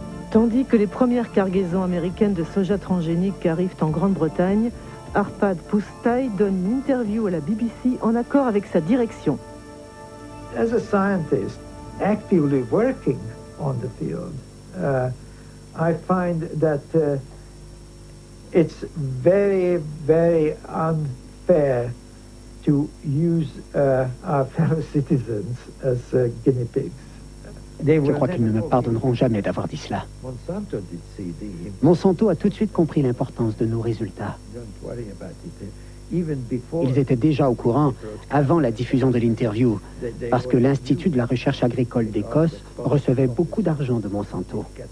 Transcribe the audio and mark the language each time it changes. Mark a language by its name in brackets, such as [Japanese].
[French] Tandis que les premières cargaisons américaines de soja transgénique arrivent en Grande-Bretagne, Arpad Pusztai donne une interview à la BBC en accord avec sa direction. [English] As a scientist actively working on the field, I find that it's very, very unfair to use our fellow citizens as guinea pigs. [French] Je crois qu'ils ne me pardonneront jamais d'avoir dit cela. Monsanto a tout de suite compris l'importance de nos résultats. Ils étaient déjà au courant avant la diffusion de l'interview, parce que l'Institut de la recherche agricole d'Écosse recevait beaucoup d'argent de Monsanto.